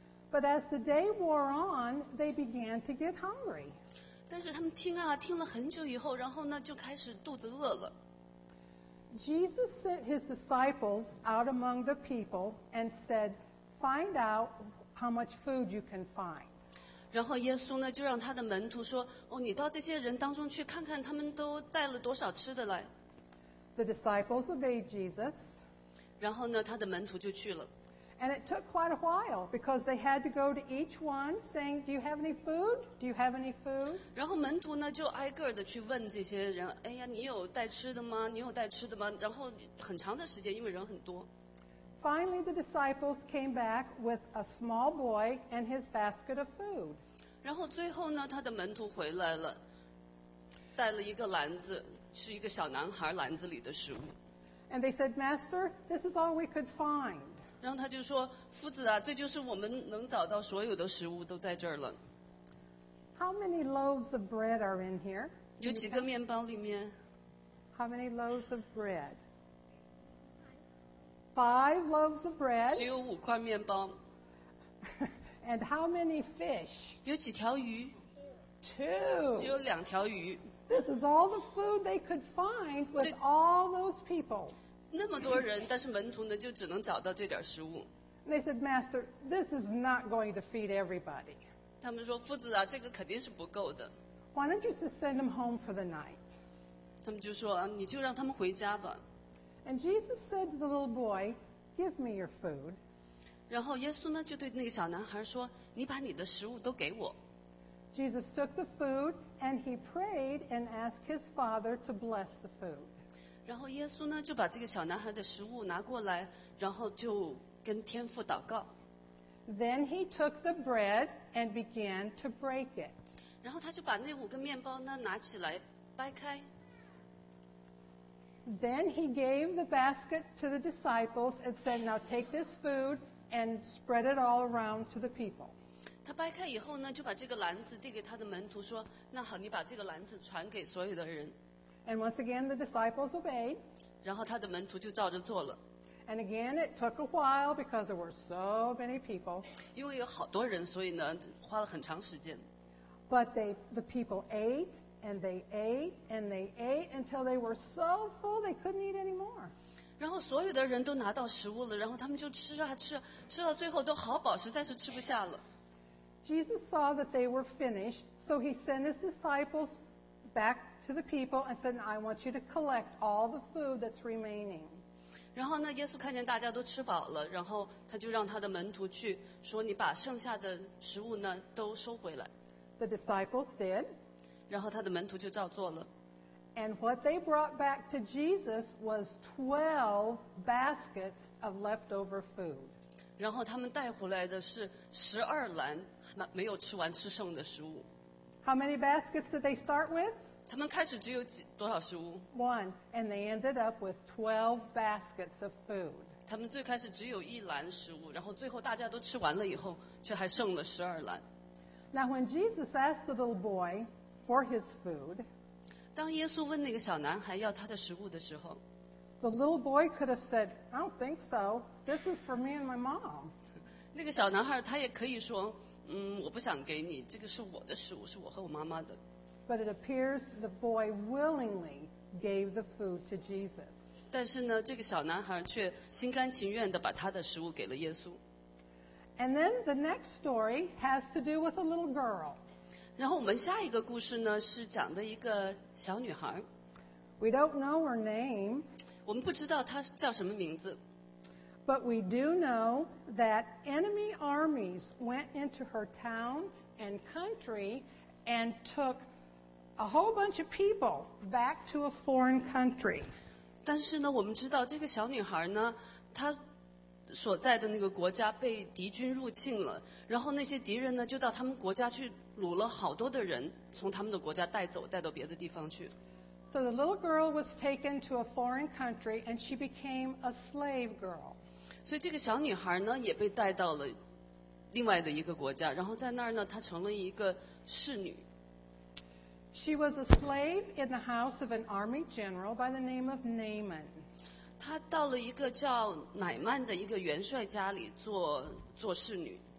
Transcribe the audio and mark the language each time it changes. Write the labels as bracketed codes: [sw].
[en] But as the day wore on, they began to get hungry. [zh] 但是他们听啊，听了很久以后，然后呢，就开始肚子饿了。 [en] Jesus sent his disciples out among the people and said, "Find out." How much food you can find. [zh] 然后耶稣呢就让他的门徒说哦你到这些人当中去看看他们都带了多少吃的来。 [en] The disciples obeyed Jesus. [zh] 然后呢他的门徒就去了。 [en] And it took quite a while because they had to go to each one saying, do you have any food? Do you have any food? [zh] 然后门徒呢就挨个的去问这些人哎呀你有带吃的吗你有带吃的吗然后很长的时间因为人很多。 [en] Finally, the disciples came back with a small boy and his basket of food. [zh] 然后最后呢，他的门徒回来了，带了一个篮子，是一个小男孩篮子里的食物。 [en] And they said, Master, this is all we could find. [zh] 然后他就说，夫子啊，这就是我们能找到所有的食物都在这儿了。 [en] How many loaves of bread are in here? [zh] 有几个面包里面 [en] How many loaves of bread? Five loaves of bread. [zh] 只有五块面包 [en] And how many fish? [zh] 有几条鱼 [en] Two. [zh] 只有两条鱼 [en] This is all the food they could find with all those people. [zh] 那么多人，但是门徒呢，就只能找到这点食物。 [en] They said, Master, this is not going to feed everybody. [zh] 他们说，夫子啊，这个肯定是不够的。 [en] Why don't you just send them home for the night? [zh] 他们就说，你就让他们回家吧。 [en] And Jesus said to the little boy, give me your food. [zh] 然后耶稣呢，就对那个小男孩说，你把你的食物都给我。 [en] Jesus took the food, and he prayed and asked his father to bless the food. [zh] 然后耶稣呢，就把这个小男孩的食物拿过来，然后就跟天父祷告。 [en] Then he took the bread and began to break it. [zh] 然后他就把那五个面包呢拿起来掰开。 [en] Then he gave the basket to the disciples and said, Now take this food and spread it all around to the people. [zh] 他掰开以后呢，就把这个篮子递给他的门徒说，那好，你把这个篮子传给所有的人。 [en] And once again, the disciples obeyed. [zh] 然后他的门徒就照着做了。 [en] And again, it took a while because there were so many people. [zh] 因为有好多人，所以呢，花了很长时间。 [en] But the people ate and they ate and they ate until they were so full they couldn't eat anymore. [zh] 然后所有的人都拿到食物了，然后他们就吃啊吃，吃到最后都好饱，实在是吃不下了。 [en] Jesus saw that they were finished, so he sent his disciples back to the people and said, "I want you to collect all the food that's remaining." [zh] 然后呢，耶稣看见大家都吃饱了，然后他就让他的门徒去说，你把剩下的食物呢都收回来。 [en] The disciples did. [zh] 然后他的门徒就照做了。 [en] And what they brought back to Jesus was 12 baskets of leftover food. [zh] 然后他们带回来的是十二篮没有吃完吃剩的食物。 [en] How many baskets did they start with? [zh] 他们开始只有多少食物？ [en] One. And they ended up with 12 baskets of food. [zh] 他们最开始只有一篮食物，然后最后大家都吃完了以后，却还剩了十二篮。 [en] Now when Jesus asked the little boy for his food, [zh] 当耶稣问那个小男孩要他的食物的时候， [en] the little boy could have said, I don't think so. This is for me and my mom. [zh] 那个小男孩他也可以说，我不想给你，这个是我的食物，是我和我妈妈的。 [en] But it appears the boy willingly gave the food to Jesus. [zh] 但是呢，这个小男孩却心甘情愿地把他的食物给了耶稣。 [en] And then the next story has to do with a little girl. [zh] 然后我们下一个故事呢，是讲的一个小女孩。 [en] We don't know her name. [zh] 我们不知道她叫什么名字。 [en] But we do know that enemy armies went into her town and country and took a whole bunch of people back to a foreign country. [zh] 但是呢，我们知道这个小女孩呢，她所在的那个国家被敌军入侵了，然后那些敌人呢，就到他们国家去掳了好多的人，从他们的国家带走，带到别的地方去。 [en] So the little girl was taken to a foreign country and she became a slave girl. [zh] 所以这个小女孩呢，也被带到了另外的一个国家，然后在那儿呢，她成了一个侍女。 [en] She was a slave in the house of an army general by the name of Naaman. [zh] 她到了一个叫乃曼的一个元帅家里做侍女。